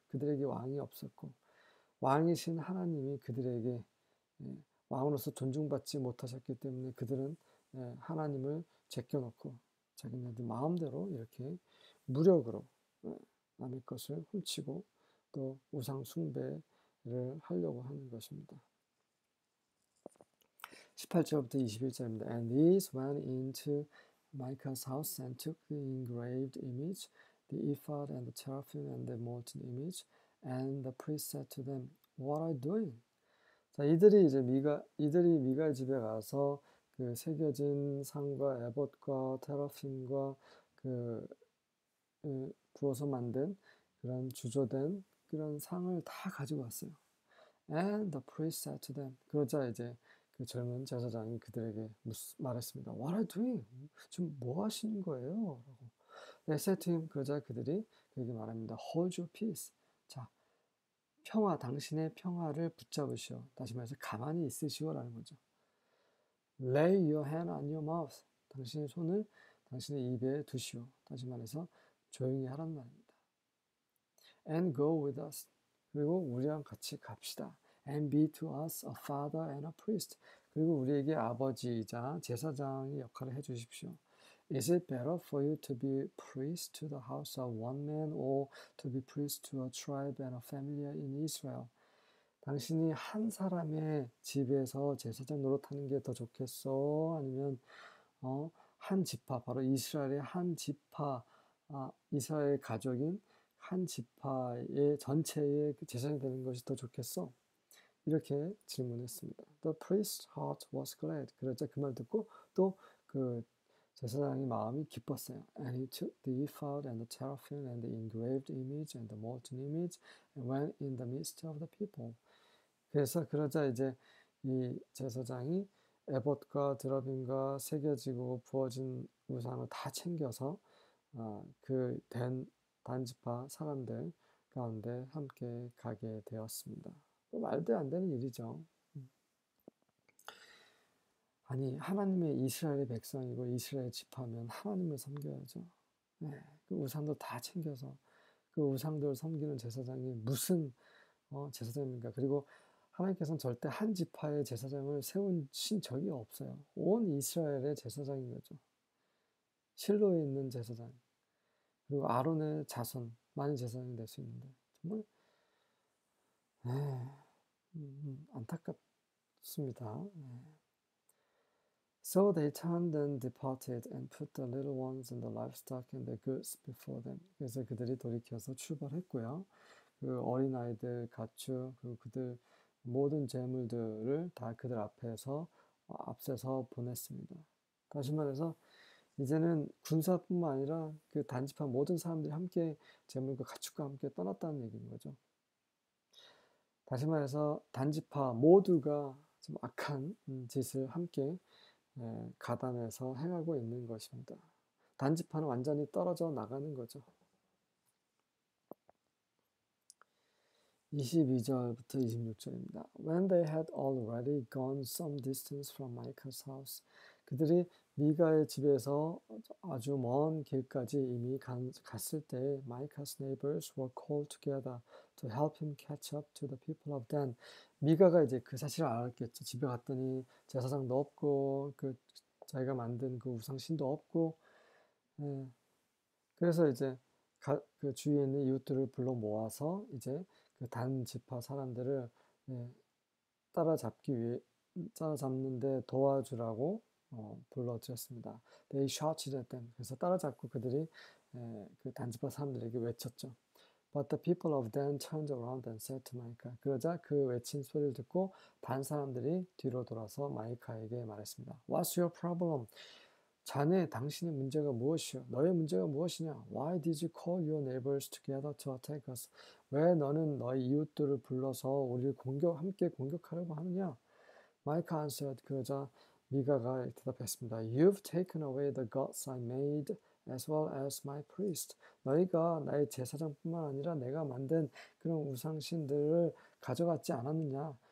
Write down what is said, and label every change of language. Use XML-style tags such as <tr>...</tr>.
<ko>그들에게 왕이 없었고, 왕이신 하나님이 그들에게 왕으로서 존중받지 못하셨기 때문에 그들은 하나님을 제껴놓고 자기네들 마음대로 이렇게 무력으로 남의 것을 훔치고 또 우상 숭배를 하려고 하는 것입니다. 18절부터 21절입니다.</ko> <en>And these went into Micah's house and took the engraved image, the ephod and the teraphim and the molten image, and the priest said to them, What are you doing?</en> <ko>자, 이들이 미가의 집에 가서 그 새겨진 상과 에봇과 테라핌과 부어서 만든 그런 주조된 그런 상을 다 가지고 왔어요.</ko> <en>And the priest said to them,</en> <ko>그러자 이제 그 젊은 제사장이 그들에게 말했습니다.</ko> <en>What are you doing?</en> <ko>지금 뭐 하시는 거예요? 라고.</ko> <en>They said to him,</en> <ko>그러자 그들이 그에게 말합니다.</ko> <en>Hold your peace.</en> <ko>자, 평화, 당신의 평화를 붙잡으시오. 다시 말해서 가만히 있으시오라는 거죠.</ko> <en>Lay your hand on your mouth.</en> <ko>당신의 손을 당신의 입에 두시오. 다시 말해서 조용히 하란 말입니다.</ko> <en>And go with us.</en> <ko>그리고 우리랑 같이 갑시다.</ko> <en>And be to us a father and a priest.</en> <ko>그리고 우리에게 아버지이자 제사장의 역할을 해주십시오.</ko> <en>Is it better for you to be priest to the house of one man or to be priest to a tribe and a family in Israel?</en> <ko>당신이 한 사람의 집에서 제사장 노릇하는 게더 좋겠어? 아니면 한 지파, 바로 이스라엘의 한 지파, 이스라엘 가족인 한 지파의 전체의 제사장이 되는 것이 더 좋겠어? 이렇게 질문했습니다.</ko> <en>The priest's heart was glad.</en> <ko>그러자 그말 듣고 또그 제사장의 마음이 기뻤어요.</ko> <en>And he took the ephod and the teraphim and the engraved image and the molten image and went in the midst of the people.</en> <ko>그래서 그러자 이제 이 제사장이 에봇과 드러빔과 새겨지고 부어진 우상을 다 챙겨서 그된 단지파 사람들 가운데 함께 가게 되었습니다. 말도 안 되는 일이죠. 아니, 하나님의 이스라엘의 백성이고 이스라엘 지파면 하나님을 섬겨야죠. 네, 그 우상도 다 챙겨서 그 우상들을 섬기는 제사장이 무슨 제사장입니까? 그리고 하나님께서는 절대 한 지파의 제사장을 세우신 적이 없어요. 온 이스라엘의 제사장인 거죠. 실로에 있는 제사장. 그리고 아론의 자손만이 제사장이 될수 있는데. 정말, 안타깝습니다.</ko> <en>So they turned and departed and put the little ones and the livestock and the goods before them.</en> <ko>그래서 그들이 돌이켜서 출발했고요. 그 어린아이들, 가축, 그리고 그들 모든 재물들을 다 그들 앞에서 앞세서 보냈습니다. 다시 말해서 이제는 군사뿐만 아니라 그 단지파 모든 사람들이 함께 재물과 가축과 함께 떠났다는 얘기인 거죠. 다시 말해서 단지파 모두가 좀 악한 짓을 함께 가단에서 행하고 있는 것입니다. 단지파는 완전히 떨어져 나가는 거죠. 22절부터 26절입니다.</ko> <en>When they had already gone some distance from Micah's house,</en> <ko>그들이 미가의 집에서 아주 먼 길까지 이미 갔을 때,</ko> <en>Micah's neighbors were called together to help him catch up to the people of Dan.</en> <ko>미가가 이제 그 사실을 알았겠죠. 집에 갔더니 제사장도 없고, 그 자기가 만든 그 우상신도 없고, 그래서 이제 그 주위에 있는 이웃들을 불러 모아서 이제 그 단지파 사람들을 따라잡는데 도와주라고 불러주었습니다.</ko> <en>They shouted at them.</en> <ko>그래서 따라잡고 그들이 그 단지파 사람들에게 외쳤죠.</ko> <en>But the people of Dan turned around and said to Micah.</en> <ko>그러자 그 외친 소리를 듣고 단 사람들이 뒤로 돌아서 마이카에게 말했습니다.</ko> <en>What's your problem?</en> <ko>자네 당신의 문제가 무엇이요? 너의 문제가 무엇이냐?</ko> <en>Why did you call your neighbors together to attack us?</en> <ko>왜 너는 너의 이웃들을 불러서 우리를 함께 공격하려고 하느냐?</ko> <en>Micah answered.</en> <ko>그러자 미가가 대답했습니다.</ko> <en>You've taken away the gods I made as well as my priest.</en> <ko>너희가 나의 제사장뿐만 아니라 내가 만든 그런 우상신들을 가져갔지 않았느냐?</ko>